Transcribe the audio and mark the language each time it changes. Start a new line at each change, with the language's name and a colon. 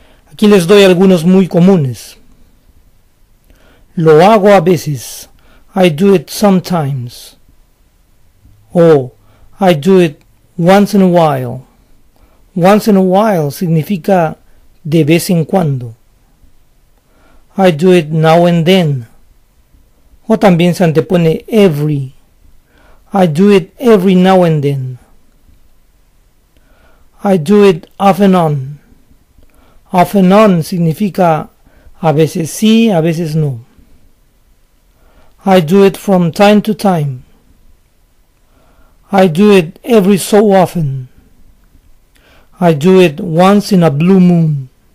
Spanish: Aquí les doy algunos muy comunes. Lo hago a veces,
English: I do it sometimes. O I do it once in a while. Once in a while
Spanish: significa de vez en cuando.
English: I do it now and then.
Spanish: O también se antepone
English: every. I do it every now and then. I do it off and on.
Spanish: Off and on significa a veces sí, a veces no.
English: I do it from time to time. I do it every so often. I do it once in a blue moon.